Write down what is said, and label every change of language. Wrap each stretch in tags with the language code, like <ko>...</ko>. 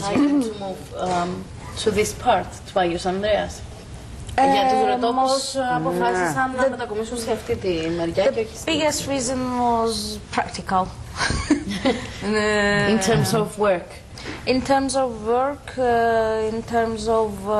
<en>That's why I decided to move to this part, to Agios Andreas.</en> <el>Γιατί βρετόπως αποφάσισαν να μετακομίσουν σε αυτή τη μεριά και όχι στην...</el> <en>The biggest reason was practical. In terms of work. In terms of work, in terms of...</en>